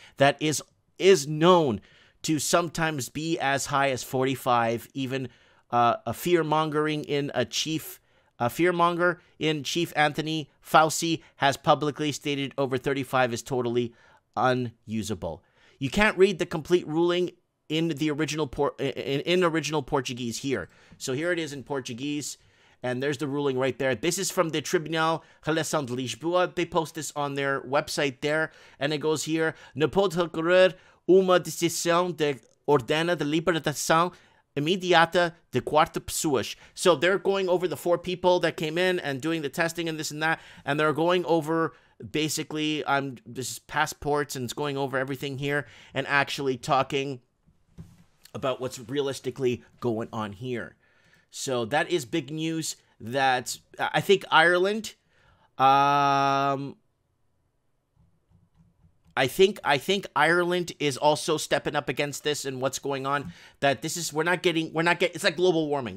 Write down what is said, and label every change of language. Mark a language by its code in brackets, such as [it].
[en] That is known to sometimes be as high as 45, even a fear-monger in chief Anthony Fauci has publicly stated over 35 is totally unusable. You can't read the complete ruling in the original original Portuguese here. So here it is in Portuguese, and there's the ruling right there. This is from the Tribunal de Relação de Lisboa. They post this on their website there, and it goes here: [pt] Não pode ocorrer uma decisão de ordena de libertação imediata de quatro pessoas. [en] So they're going over the four people that came in and doing the testing and this and that, and they're going over. Basically, this is passports and it's going over everything here and actually talking about what's realistically going on here. So that is big news that I think Ireland, I think Ireland is also stepping up against this and what's going on, that this is, we're not getting, it's like global warming.